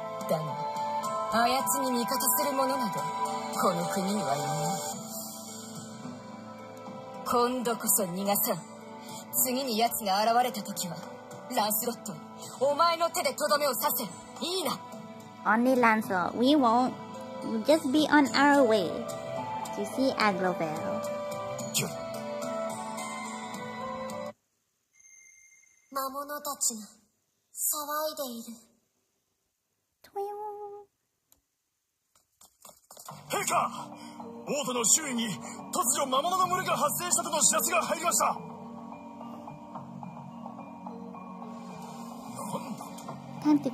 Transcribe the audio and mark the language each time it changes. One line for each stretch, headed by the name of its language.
Japanese: だがあやつに味方する者などこの国にはいない。今度こそ逃がさん。次にやつが現れた時はランスロット、お前の手でとどめを刺せ。いいな。
English: Only Lancelot, we won't. We'll just be on our way to see Aglovale.
Japanese: 魔物たちが騒いでいる。トヨーン。陛下、王都の周囲に突如魔物の群れが発生したとの知らせが入りました。なんだ。